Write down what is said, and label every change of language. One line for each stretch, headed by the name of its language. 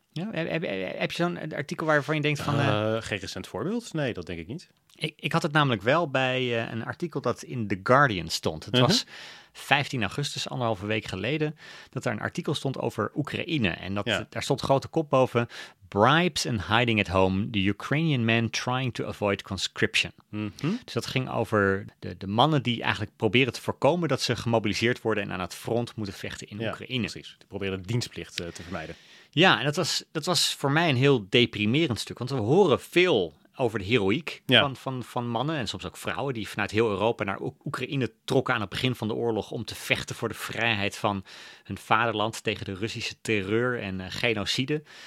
Dutch: Ja, heb je zo'n artikel waarvan je denkt van... Geen recent voorbeeld? Nee, dat denk ik niet. Ik had het namelijk wel bij een artikel dat in The Guardian stond. Het was 15 augustus, anderhalve week geleden, dat er een artikel stond over Oekraïne. En dat daar stond grote kop boven.
English: Bribes and hiding at home, the Ukrainian men trying to avoid conscription.
Dutch: Dus dat ging over de mannen die eigenlijk proberen te voorkomen dat ze gemobiliseerd worden en aan het front moeten vechten in Oekraïne. Precies, die proberen dienstplicht te vermijden. Ja, en dat was voor mij een heel deprimerend stuk, want we horen veel over de heroïek van mannen en soms ook vrouwen die vanuit heel Europa naar Oekraïne trokken aan het begin van de oorlog om te vechten voor de vrijheid van hun vaderland tegen de Russische terreur en genocide.